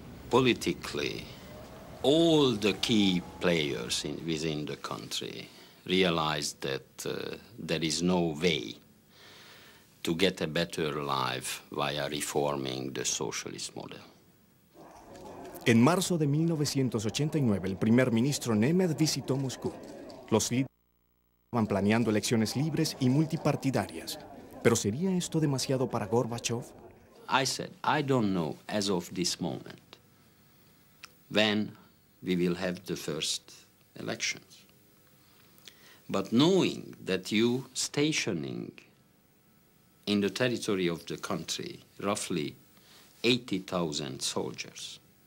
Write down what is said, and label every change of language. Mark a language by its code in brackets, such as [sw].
[en] Politically, all the key players within the country realized that there is no way to get a better life via reforming the socialist model. [es] En marzo de 1989, el primer ministro Nemeth visitó Moscú. Los líderes estaban planeando elecciones libres y multipartidarias. ¿Pero sería esto demasiado para Gorbachev? [en] I said, I don't know as of this moment when we will have the first elections. But knowing that you stationing in the territory of the country roughly 80,000 soldiers,